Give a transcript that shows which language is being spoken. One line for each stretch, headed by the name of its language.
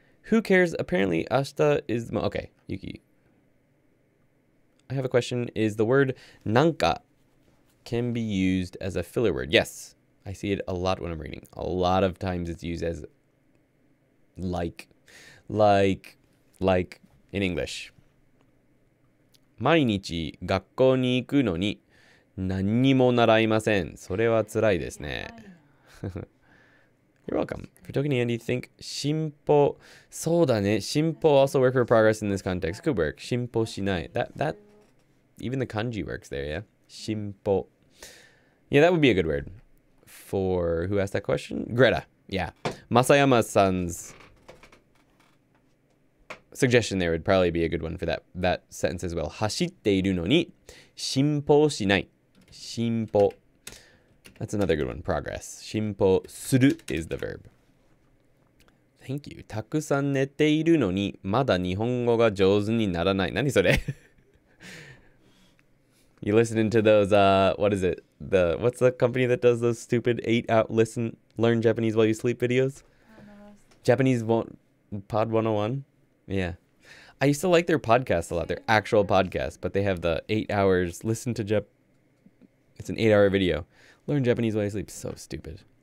English: Who cares? Apparently, 明日 is... Okay, Yuki. I have a question. Is the word なんか can be used as a filler word? Yes. I see it a lot when I'm reading. A lot of times it's used as like in English.
Japanese: 毎日学校に行くのに何にも習いません。それは辛いですね。
English: You're welcome. For Tokini, Andy, think 進歩。
Japanese: そうだね。
English: 進歩 also work for progress in this context. Could work.
Japanese: 進歩しない。
English: That even the kanji works there, yeah? 進歩。Yeah, that would be a good word. For who asked that question? Greta. Yeah. Masayama-san's suggestion there would probably be a good one for that sentence as well.
Japanese: 走っているのに進歩しない。
English: 進歩.That's another good one. Progress. 進歩する is the verb. Thank you.
Japanese: たくさん寝ているのにまだ日本語が上手にならない。何それ?
English: You listening to those, what is it? What's the company that does those stupid 8-hour listen, learn Japanese while you sleep videos? Japanese Pod 101? Yeah. I used to like their podcasts a lot, their actual podcasts, but they have the 8 hours, listen to Japanese. It's an 8-hour video. Learn Japanese while you sleep. So stupid.